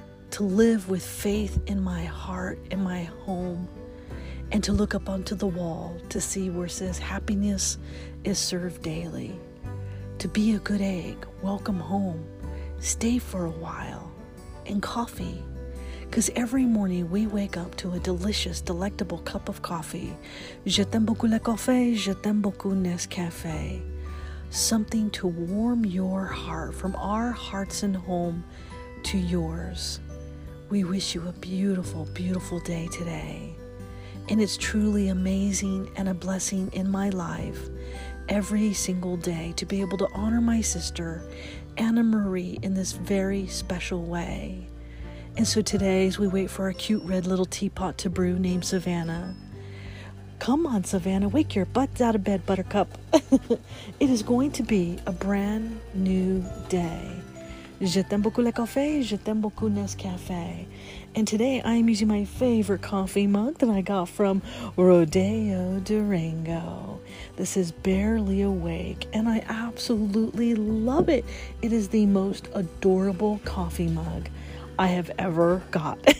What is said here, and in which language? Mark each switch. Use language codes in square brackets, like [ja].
[en] to live with faith in my heart, in my home, and to look up onto the wall to see where it says happiness is served daily, to be a good egg, welcome home, stay for a while, and coffee. Because every morning we wake up to a delicious, delectable cup of coffee. [fr] Je t'aime beaucoup le café, je t'aime beaucoup Nescafé. [en] Something to warm your heart from our hearts and home to yours. We wish you a beautiful, beautiful day today. And it's truly amazing and a blessing in my life every single day to be able to honor my sister, Anna Marie, in this very special way. And so today, as we wait for our cute red little teapot to brew named Savannah. Come on, Savannah, wake your butts out of bed, buttercup. It is going to be a brand new day. [fr] Je t'aime beaucoup le café, je t'aime beaucoup Nescafé. [en] And today, I am using my favorite coffee mug that I got from Rodeo Durango. This is Barely Awake, and I absolutely love it. It is the most adorable coffee mug I have ever got.